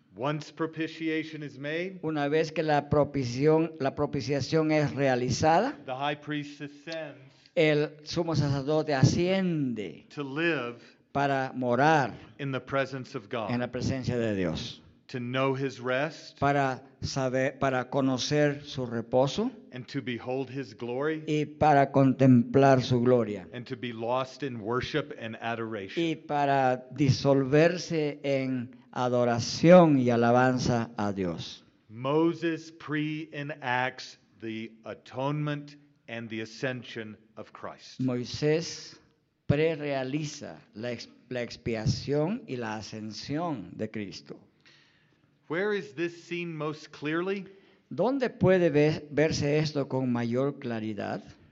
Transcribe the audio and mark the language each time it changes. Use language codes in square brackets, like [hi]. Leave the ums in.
[en] Once propitiation is made, [es] una vez que la, la propiciación es realizada, [en] the high priest ascends [es] el sumo sacerdote asciende [en] to live [es] para morar [en] in the presence of God, [es] en la presencia de Dios [en] to know his rest, [es] para saber para conocer su reposo [en] and to behold his glory, [es] y para contemplar su gloria [en] and to be lost in worship and adoration. [es] y para disolverse en adoración y alabanza a Dios [en] Moses pre-enacts the atonement and the ascension of Christ. [es] Moisés prerealiza la, la expiación y la ascensión de Cristo. [en] Where is this seen most clearly? [es] ¿Dónde puede verse esto con mayor claridad?